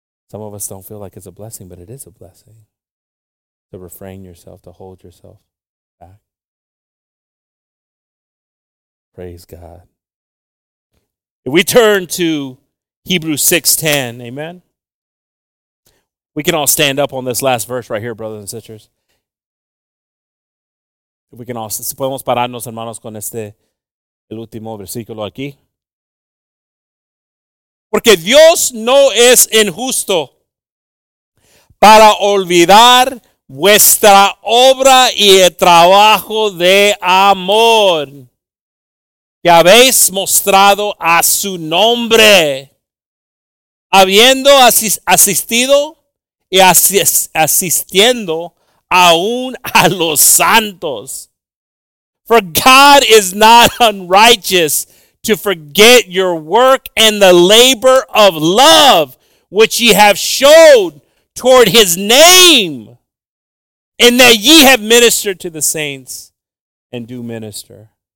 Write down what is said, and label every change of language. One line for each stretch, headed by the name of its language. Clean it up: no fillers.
English: Some of us don't feel like it's a blessing, but it is a blessing to refrain yourself, to hold yourself back. Praise God. If we turn to Hebrews 6:10, amen? We can all stand up on this last verse right here, brothers and sisters. If we can all,
Spanish: si podemos pararnos, hermanos, con este, el último versículo aquí. Porque Dios no es injusto para olvidar vuestra obra y el trabajo de amor que habéis mostrado a su nombre, habiendo asistido y asistiendo aún a los santos.
English: For God is not unrighteous to forget your work and the labor of love which ye have showed toward his name, and that ye have ministered to the saints and do minister.